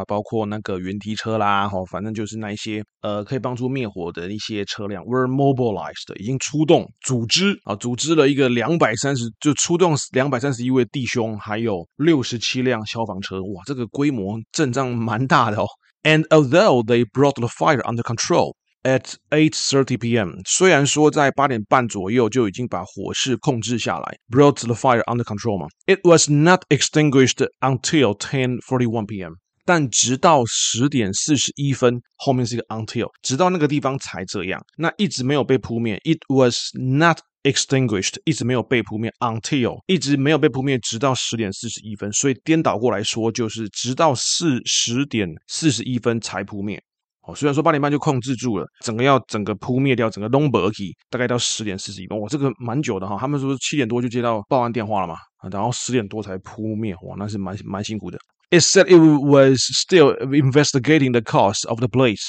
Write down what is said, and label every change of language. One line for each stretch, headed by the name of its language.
Chinese: 包括那个云梯车啦，反正就是那一些可以帮助灭火的一些车辆
English: were mobilized，
Chinese: 已经出动组织啊，组织了一个230，就出动231位弟兄，还有67辆消防车。哇，这个规模阵仗蛮大的哦。
English: And although they brought the fire under control at 8:30 p.m.
Chinese: 虽然说在8:30左右就已经把火势控制下来，
English: brought the fire under control
Chinese: 嘛，
English: it was not extinguished until 10:41 p.m.
Chinese: 但直到10点41分后面是一个 until， 直到那个地方才这样，那一直没有被扑灭，
English: It was not extinguished，
Chinese: 一直没有被扑灭， until 一直没有被扑灭，直到10点41分，所以颠倒过来说就是直到10点41分才扑灭。虽然说8点半就控制住了，整个要整个扑灭掉整个 弄不起，大概到10点41分，哇，这个蛮久的，他们说7点多就接到报案电话了嘛，然后10点多才扑灭，哇，那是蛮辛苦的。
English: It said it was still investigating the cause of the blaze.